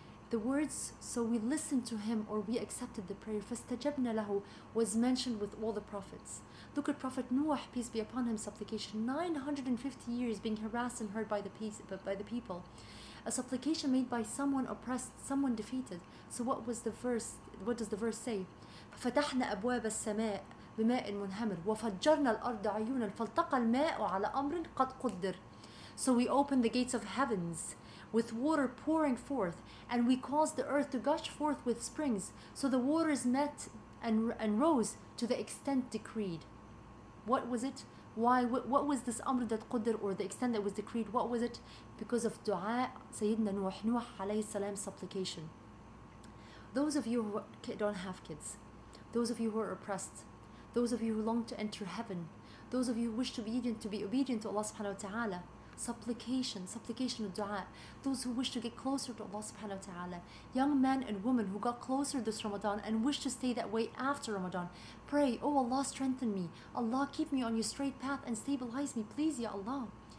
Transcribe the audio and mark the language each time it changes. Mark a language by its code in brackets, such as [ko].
[en] The words, so we listened to him or we accepted the prayer, [ar] فَاسْتَجَبْنَا لَهُ, [en] was mentioned with all the prophets. Look at Prophet Nuh, peace be upon him, supplication. 950 years being harassed and heard by the people. A supplication made by someone oppressed, someone defeated. So what was the verse? What does the verse say? [ar] فَفَتَحْنَا أَبْوَابَ السَّمَاءِ بماء منهمر وفجرنا الأرض عيونا فالتقى الماء على أمر قد قدر. [en] So we opened the gates of heavens with water pouring forth, and we caused the earth to gush forth with springs. So the waters met and rose to the extent decreed. What was it? Why? What was this [ar] أمر قد قدر, [en] or the extent that was decreed? What was it? Because of [ar] دعاء سيدنا نوح, نوح عليه السلام, supplication. [en] Those of you who don't have kids, those of you who are oppressed, those of you who long to enter heaven, those of you who wish to be obedient to Allah subhanahu wa ta'ala, supplication of dua, those who wish to get closer to Allah subhanahu wa ta'ala, young men and women who got closer this Ramadan and wish to stay that way after Ramadan, pray, oh Allah, strengthen me, Allah, keep me on your straight path and stabilize me, please, ya Allah.